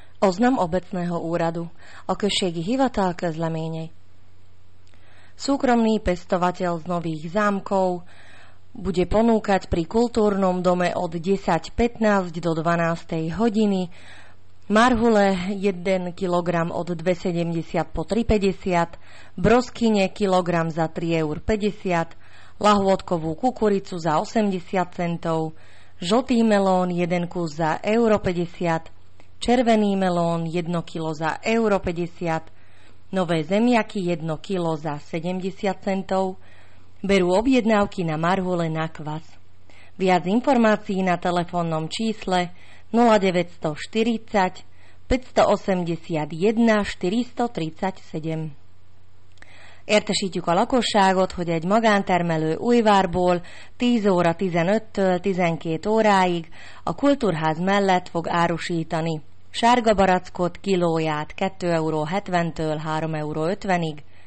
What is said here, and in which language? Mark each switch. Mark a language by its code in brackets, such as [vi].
[sk] Oznam obecného úradu o [hu] községi Hivatal Kezlemény. [sk] Súkromný pestovateľ z Nových Zámkov bude ponúkať pri kultúrnom dome od 10.15 do 12. hodiny marhule 1 kg od 2,70 po 3,50, broskyne kilogram za 3,50 €, lahôdkovú kukuricu za 80 centov, žltý melón 1 kus za 1,50 €, červený melón 1 kilo za 1,50 €, nové zemiaky 1 kilo za 70 centov. Berú objednávky na marhule na kvas. Viac informácií na telefónnom čísle 0940 581 437. [hu] Értesítjük a lakosságot, hogy egy magántermelő újvárból 10 óra 15-től 12 óráig a kultúrház mellett fog árusítani sárga barackot kilóját 2,70 € 3,50 €,